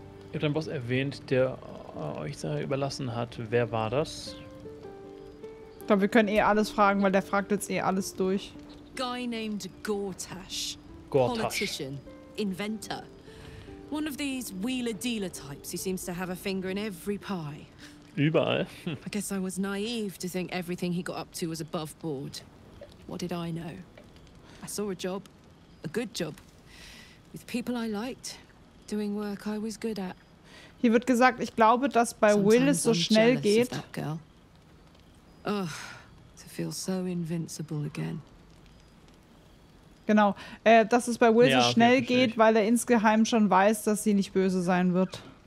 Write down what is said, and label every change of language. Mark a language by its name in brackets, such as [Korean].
[German] Ihr habt einen Boss erwähnt, der euch da überlassen hat. Wer war das? Ich glaube, wir können eh alles fragen, weil der fragt jetzt eh alles durch. [English] Guy named Gortash. Gortash. Politician, inventor. One of these wheeler-dealer types who seems to have a finger in every pie. [German] Überall. [English] I guess I was naive to think everything he got up to was above board. What did I know? I saw a job, a good job, with people I liked, doing work I was good at. [German] Hier wird gesagt, ich glaube, dass bei Will es so schnell geht. [English] Oh, to feel so invincible again. [German] Genau, dass es bei Will so schnell geht, weil er insgeheim schon weiß, dass sie nicht böse sein wird.